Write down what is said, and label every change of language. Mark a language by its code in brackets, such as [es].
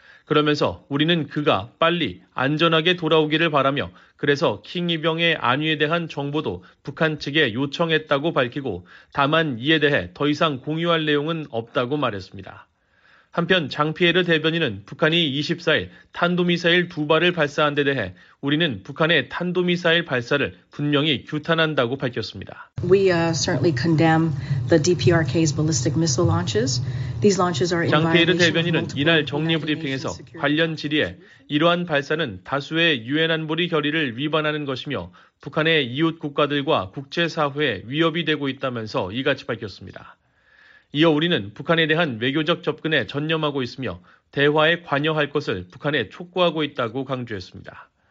[ko] 그러면서 우리는 그가 빨리 안전하게 돌아오기를 바라며 그래서 킹 이병의 안위에 대한 정보도 북한 측에 요청했다고 밝히고 다만 이에 대해 더 이상 공유할 내용은 없다고 말했습니다. 한편 장피에르 대변인은 북한이 24일 탄도미사일 두 발을 발사한 데 대해 우리는 북한의 탄도미사일 발사를 분명히 규탄한다고 밝혔습니다. [en] We certainly condemn the DPRK's ballistic missile launches. These launches are [ko] 장피에르 대변인은 이날 정례 브리핑에서 관련 질의에 이러한 발사는 다수의 유엔 안보리 결의를 위반하는 것이며 북한의 이웃 국가들과 국제 사회에 위협이 되고 있다면서 이같이 밝혔습니다. 이어 우리는 북한에 대한 외교적 접근에 전념하고 있으며 대화에 관여할 것을 북한에 촉구하고 있다고 강조했습니다.